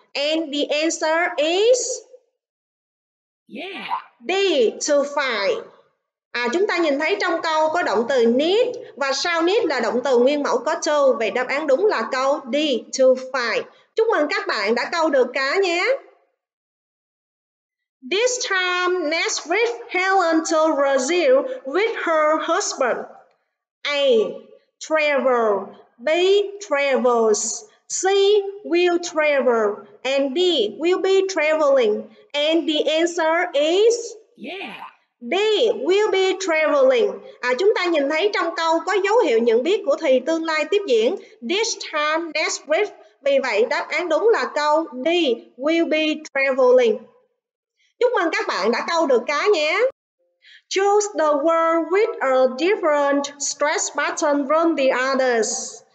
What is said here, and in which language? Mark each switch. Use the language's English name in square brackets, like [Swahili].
[English] And the answer is... Yeah. D. To find. [Vietnamese] Chúng ta nhìn thấy trong câu có động từ need và sau need là động từ nguyên mẫu có to. Vậy đáp án đúng là câu D, [English] to find. [Vietnamese] Chúc mừng các bạn đã câu được cá nhé. [English] This time next week Helen to Brazil with her husband. A. Travel. B. Travels. C. Will travel. And D. Will be traveling. And the answer is... Yeah. D. Will be traveling. [Vietnamese] Chúng ta nhìn thấy trong câu có dấu hiệu nhận biết của thì tương lai tiếp diễn. [English] This time next week. [Vietnamese] Vì vậy đáp án đúng là câu D. [English] Will be traveling. [Vietnamese] Chúc mừng các bạn đã câu được cá nhé. [English] Choose the word with a different stress pattern from the others.